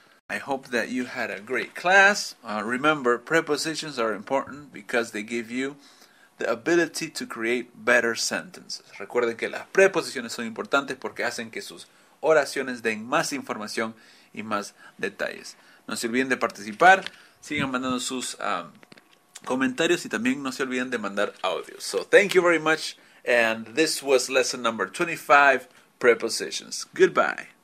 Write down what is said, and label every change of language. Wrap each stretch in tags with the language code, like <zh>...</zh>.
<en>I hope that you had a great class. Remember, prepositions are important because they give you the ability to create better sentences.</en> <es>Recuerden que las preposiciones son importantes porque hacen que sus oraciones den más información y más detalles. No se olviden de participar. Sigan mandando sus comentarios y también no se olviden de mandar audios.</es> <en>So, thank you very much. And this was lesson number 25, prepositions. Goodbye.</en>